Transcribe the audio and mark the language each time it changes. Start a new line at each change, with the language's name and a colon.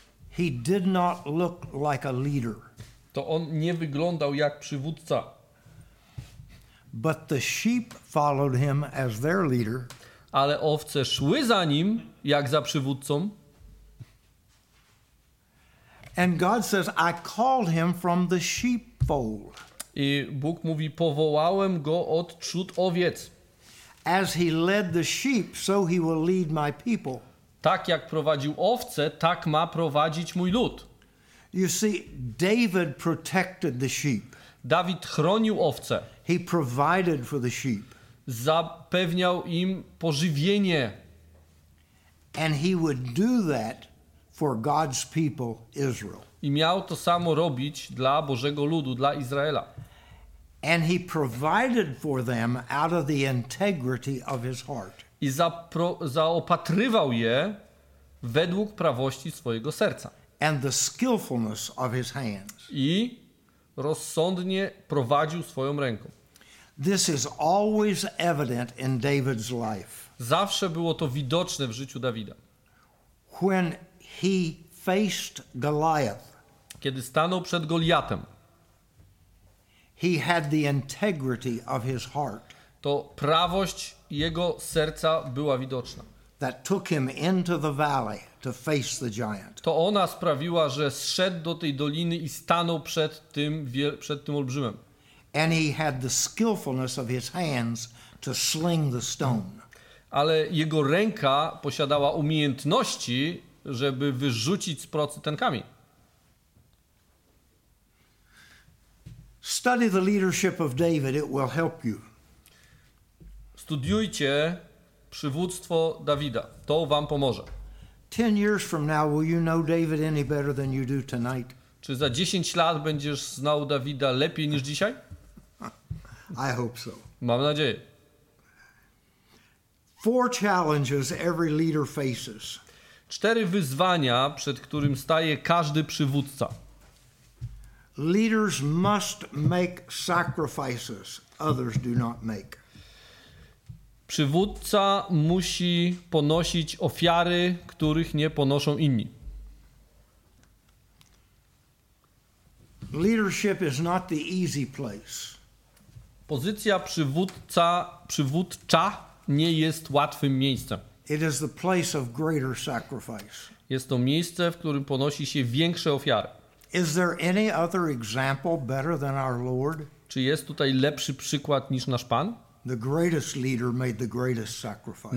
English: he did not look like a leader.
Polish: To on nie wyglądał jak przywódca.
English: But the sheep followed him as their leader.
Polish: Ale owce szły za nim jak za przywódcą.
English: And God says, I called him from the sheepfold.
Polish: I Bóg mówi, powołałem go od trzód owiec.
English: As he led the sheep, so he will lead my people.
Polish: Tak jak prowadził owce, tak ma prowadzić mój lud.
English: You see, David protected the sheep.
Polish: Dawid chronił owce.
English: He provided for the sheep.
Polish: Zapewniał im pożywienie.
English: And he would do that for God's people, Israel.
Polish: I miał to samo robić dla Bożego ludu, dla Izraela.
English: And he provided for them out of the integrity of his heart.
Polish: I zaopatrywał je według prawości swojego serca.
English: And the skillfulness of his hands.
Polish: I rozsądnie prowadził swoją ręką.
English: This is always evident in David's life.
Polish: Zawsze było to widoczne w życiu Dawida.
English: When he faced Goliath,
Polish: kiedy stanął przed Goliatem,
English: he had the integrity of his heart.
Polish: To prawość jego serca była widoczna.
English: That took him into the valley to face the giant.
Polish: To ona sprawiła, że zszedł do tej doliny i stanął przed tym olbrzymem.
English: And he had the skillfulness of his hands to sling the stone.
Polish: Ale jego ręka posiadała umiejętności, żeby wyrzucić z procy ten kamień.
English: Study the leadership of David, it will help you.
Polish: Studiujcie przywództwo Dawida. To wam pomoże.
English: 10 years from now will you know David any better than you do tonight?
Polish: Czy za 10 lat będziesz znał Dawida lepiej niż dzisiaj?
English: I hope so.
Polish: Mam nadzieję.
English: Four challenges every leader faces.
Polish: Cztery wyzwania, przed którym staje każdy przywódca.
English: Leaders must make sacrifices others do not make.
Polish: Przywódca musi ponosić ofiary, których nie ponoszą inni.
English: Leadership is not the easy place.
Polish: Pozycja przywódcza nie jest łatwym miejscem.
English: It is the place of greater sacrifice.
Polish: Jest to miejsce, w którym ponosi się większe ofiary.
English: Is there any other example better than our Lord?
Polish: Czy jest tutaj lepszy przykład niż nasz Pan?
English: The greatest leader made the greatest sacrifice.